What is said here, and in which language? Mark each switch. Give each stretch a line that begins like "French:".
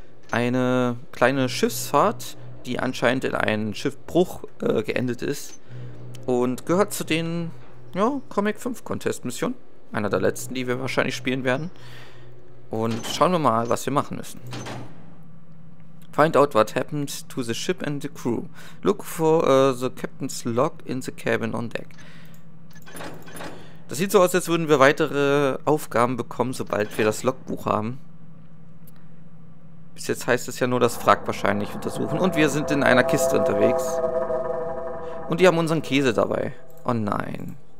German: Eine kleine Schiffsfahrt, die anscheinend in einen Schiffbruch geendet ist. Und gehört zu den Comic 5 Contest-Missionen. Einer der letzten, die wir wahrscheinlich spielen werden. Und schauen wir mal, was wir machen müssen.
English: Find out what happened to the ship and the crew. Look for the captain's log in the cabin on deck.
German: Das sieht so aus, als würden wir weitere Aufgaben bekommen, sobald wir das Logbuch haben. Bis jetzt heißt es ja nur das Wrack wahrscheinlich untersuchen. Und wir sind in einer Kiste unterwegs. Und die haben unseren Käse dabei. Oh nein.